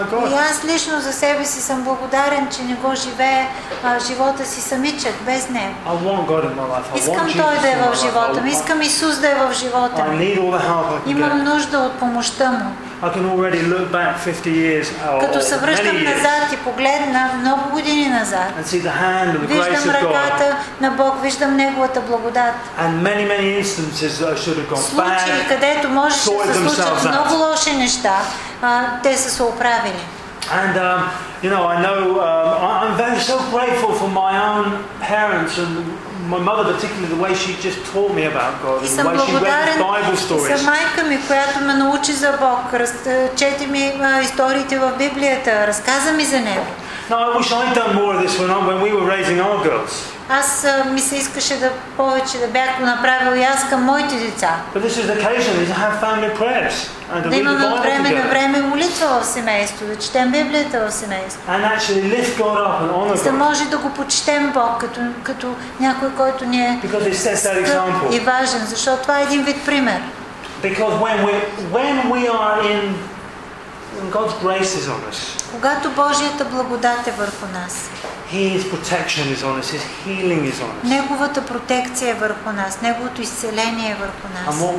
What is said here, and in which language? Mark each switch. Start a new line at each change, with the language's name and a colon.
Bulgarian: И аз лично за себе си съм благодарен, че не го живее живота си самичък, без Него. Искам Той да е в живота ми, искам Исус да е в живота ми. Имам нужда от помощта Му.
English: I can already look back 50 years or many years
Bulgarian: и погледна много години назад.
English: And see the hand of the
Bulgarian: виждам
English: grace of
Bulgarian: ръката
English: God.
Bulgarian: На Бог, виждам неговата благодат.
English: And many, many instances that I should have gone
Bulgarian: случаи,
English: bad,
Bulgarian: където можеше да се случат много лоши неща, те са се оправили.
English: And you know, I know I'm very so grateful for my own parents and my mother particularly, the way she just taught me about God and the way she read the Bible stories.
Bulgarian: За майка ми, която ме научи за Бог, чете ми историите в Библията, разказа ми за него.
English: Now I wish I'd done more of this when we were raising our girls.
Bulgarian: Аз ми се искаше да повече да бях направил и аз към моите деца.
English: But this is the occasion to have family prayers and to read the Bible together.
Bulgarian: На време молитва в семейство, да четем Библията в семейство.
English: And actually lift God up and honor God.
Bulgarian: Да може да го почетем Бог като някой, който ни е и важен, защото това е един вид пример.
English: Because when we are in God's grace is on us.
Bulgarian: Когато Божията благодат е върху нас.
English: His protection is on us. His healing is on us.
Bulgarian: Неговата протекция е върху нас. Неговото изцеление е върху нас.